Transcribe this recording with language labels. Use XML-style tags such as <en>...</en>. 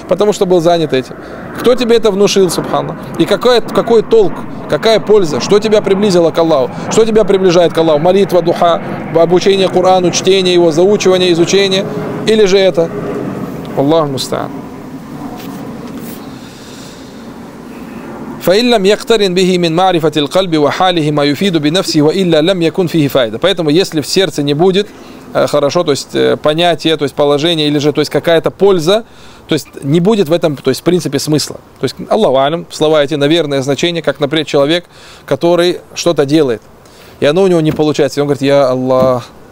<ru>Потому что был занят этим. Кто тебе это внушил, Субханаллах? И какой толк, какая польза, что тебя приблизило к Аллаху, что тебя приближает к Аллаху, молитва, духа, обучение Корану, чтение его, заучивание, изучение, или же это? Аллах мустаан.</ru> <ar>فإن لم يقترن به من معرفة القلب وحاله ما يفيد بنفسه وإلا لم يكن فيه فائدة.</ar> <ru>Поэтому если в сердце не будет хорошо, то есть понятие, то есть положение, или же то есть какая-то польза, то есть не будет в этом, то есть в принципе смысла. То есть Аллаху алям, слова эти, наверное, значение, как, например, человек, который что-то делает, и оно у него не получается. И он говорит, я Аллах.</ru>